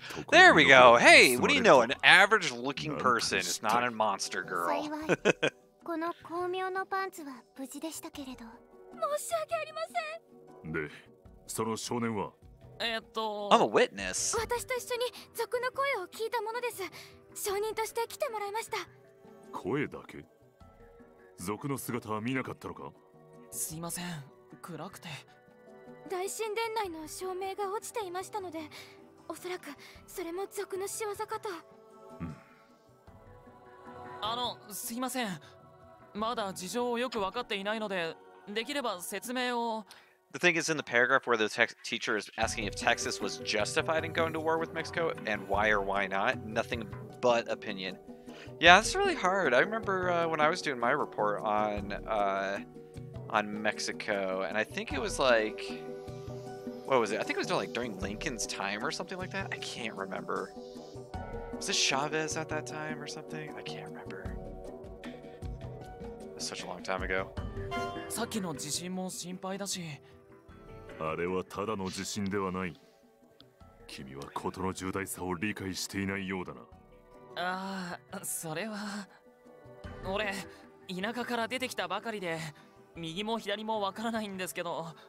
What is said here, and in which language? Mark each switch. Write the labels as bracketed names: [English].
[English] There we go! Hey, what do you know? An average-looking person is not a monster girl. [Japanese] この巧妙のパンツは無事でしたけれど。申し訳ありません。で、その少年は？ [English] I'm a witness。 [Japanese] 私と一緒に賊の声を聞いたものです。証人として来てもらいました。声だけ？賊の姿は見なかったのか？すいません、暗くて。大神殿内の照明が落ちていましたので、おそらくそれも賊の仕業かと。すいません、まだ事情をよく分かっていないので、できれば説明を。 [English] The thing is, in the paragraph where the teacher is asking if Texas was justified in going to war with Mexico and why or why not, nothing but opinion. Yeah, that's really hard. I remember when I was doing my report on Mexico, and I think it was like, what was it? I think it was during, like, during Lincoln's time or something like that. I can't remember. Was it Chavez at that time or something? I can't remember. It was such a long time ago. [Japanese] さっきの地震も心配だし。あれはただの地震ではない。君はことの重大さを理解していないようだな。ああ、それは。俺、田舎から出てきたばかりで、右も左もわからないんですけど。